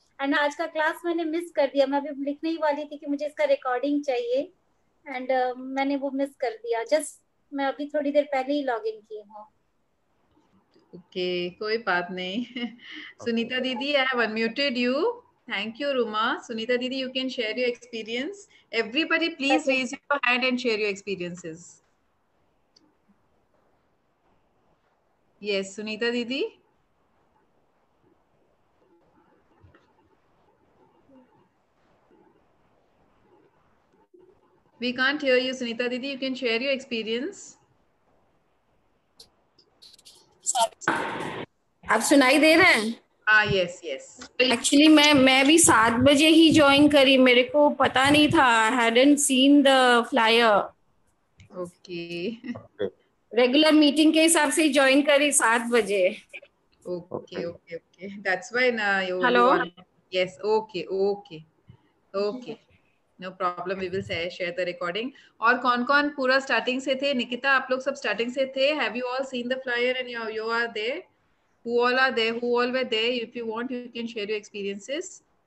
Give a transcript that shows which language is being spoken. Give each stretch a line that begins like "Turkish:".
Hindi: And आज का class मैंने मिस कर दिया, मैं अभी लिखने ही वाली थी कि मुझे इसका रिकॉर्डिंग चाहिए, एंड मैंने वो मिस कर दिया. जस्ट मैं अभी थोड़ी देर पहले ही लॉग इन की हूँ. ओके, कोई बात नहीं. सुनीता दीदी,
English: I have unmuted you. Thank you, Ruma. Sunita Didi, you can share your experience. Everybody, please raise your hand and share your experiences. Yes, Sunita Didi. We can't hear you, Sunita Didi. You can share your experience.
Hindi: आप सुनाई दे रहे हैं?
English: Yes, yes.
Hindi: Actually, मैं भी 7 बजे ही join करी. मेरे को पता नहीं था.
English: I hadn't seen the flyer. Okay.
Hindi: Regular meeting के हिसाब से ज्वाइन करी 7 बजे.
English: Okay. That's why na. Hello. Yes. Okay. No problem. We will share the recording.
Hindi: और कौन-कौन पूरा starting से थे? Nikita, आप लोग सब starting से थे?
English: Have you all seen the flyer and you are there? Who all are there? Who all were there? If you want, you can share your experiences.